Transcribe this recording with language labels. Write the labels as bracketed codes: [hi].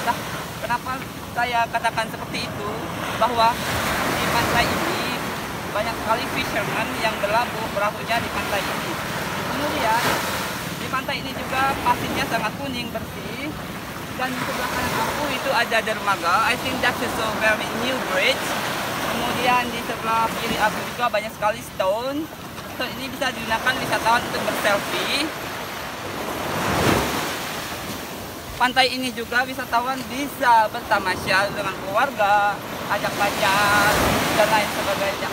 [id] Nah, kenapa saya katakan seperti itu? Bahwa di pantai ini banyak sekali fisherman yang berlabuh perahunya di pantai ini. Kemudian di pantai ini juga pasirnya sangat kuning, bersih. Dan di sebelah kanan aku itu ada dermaga. [en] I think that is a very new bridge. [id] Kemudian di sebelah kiri aku juga banyak sekali stone. Stone ini bisa digunakan wisatawan untuk berselfie. Pantai ini juga wisatawan bisa bertamasya dengan keluarga, ajak pacar, dan lain sebagainya.